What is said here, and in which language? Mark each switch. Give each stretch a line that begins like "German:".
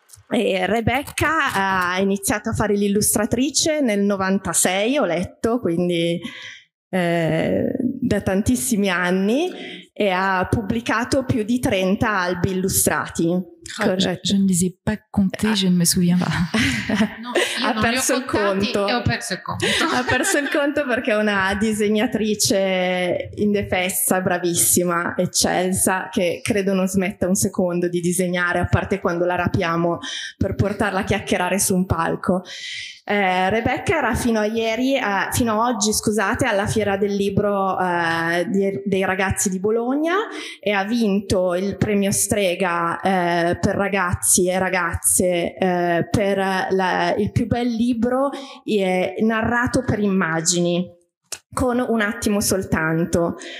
Italian: E Rebecca ha iniziato a fare l'illustratrice nel 96, ho letto, quindi da tantissimi anni, e ha pubblicato più di 30 albi illustrati.
French: Je ne les ai pas compté, je ne me souviens pas.
Italian: Ha perso il conto. E ho perso il conto. Ha perso il conto perché è una disegnatrice indefessa, bravissima, eccelsa, che credo non smetta un secondo di disegnare, a parte quando la rapiamo per portarla a chiacchierare su un palco. Rebecca era fino a oggi, alla Fiera del Libro dei Ragazzi di Bologna e ha vinto il premio Strega per ragazzi e ragazze per il più bel libro narrato per immagini con Un Attimo Soltanto.